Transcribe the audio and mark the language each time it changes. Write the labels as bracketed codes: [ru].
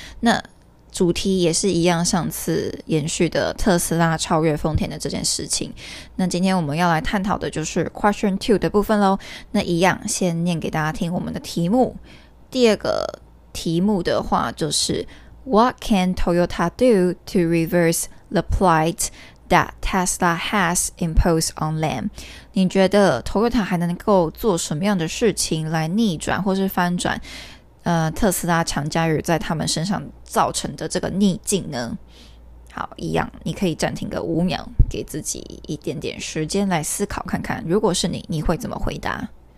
[zh] 那主题也是一样，上次延续的特斯拉超越丰田的这件事情。那今天我们要来探讨的就是 Question 2的部分咯。那一样先念给大家听我们的题目。第二个题目的话就是 [en] What can Toyota do to reverse the plight that Tesla has imposed on them? [zh] 你觉得 Toyota 还能够做什么样的事情来逆转或是翻转、特斯拉强加于在他们身上造成的这个逆境呢？好，一样，你可以暂停个五秒，给自己一点点时间来思考看看，如果是你，你会怎么回答？